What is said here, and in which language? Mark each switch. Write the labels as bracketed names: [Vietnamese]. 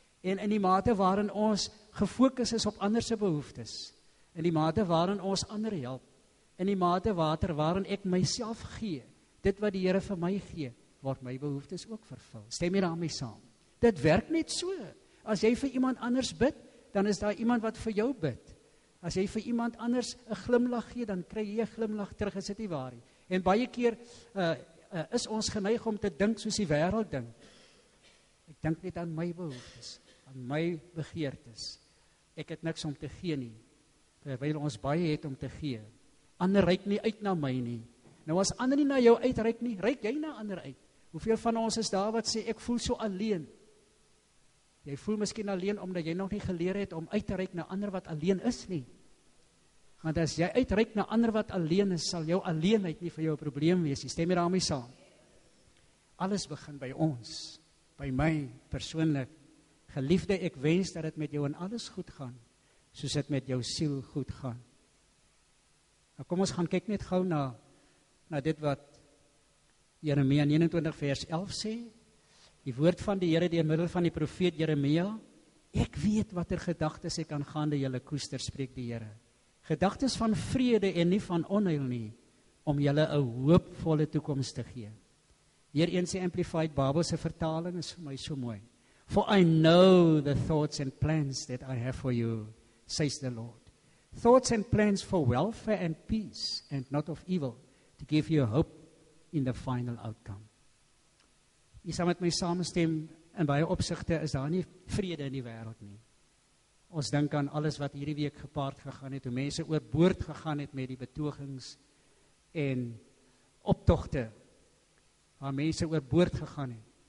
[Afrikaans] En in die mate waarin ons gefokus is op ander se behoeftes, in die mate waarin ons ander help, in die mate waarin ek myself gee, dit wat die Here vir my gee, word my behoeftes ook vervul. Stem jy daarmee saam? Dit werk net so. As jy vir iemand anders bid, dan is daar iemand wat vir jou bid. As jy vir iemand anders 'n glimlag gee, dan kry jy 'n glimlag terug, is dit nie waar nie? En baie keer is ons geneig om te dink soos die wêreld dink. Ek dink net aan my behoeftes, aan my begeertes. Ek het niks om te gee nie, terwyl ons baie het om te gee. Ander reik nie uit na my nie. Nou as ander nie na jou uitreik nie, reik jy na ander uit. Hoeveel van ons is daar wat sê, ek voel so alleen? Jy voel miskien alleen omdat jy nog nie geleer het om uit te reik na ander wat alleen is nie. Want as jy uitreik na ander wat alleen is, sal jou alleenheid nie vir jou 'n probleem wees nie. Stem jy daarmee saam? Alles begin by ons, by my persoonlik. Geliefde, ek wens dat het met jou in alles goed gaan, soos het met jou siel goed gaan. Nou kom ons gaan kyk net gauw na dit wat Jeremia 29 vers 11 sê. Die woord van die Here deur middel van die profeet Jeremia, ek weet watter gedagtes ek aangaande julle koester, spreek die Here. Gedagtes van vrede en nie van onheil nie, om julle 'n hoopvolle toekoms te gee. Hier een sê Amplified Bible se vertaling is vir my so mooi. [English] For I know the thoughts and plans that I have for you, says the Lord. Thoughts and plans for welfare and peace and not of evil to give you hope in the final outcome. [Afrikaans] Jy sal met my saamstem in baie opsigte is daar nie vrede in die wêreld nie. Ons dink aan alles wat hierdie week gepaard gegaan het, hoe mense oorboord gegaan het met die betogings en optogte waar mense oorboord gegaan het.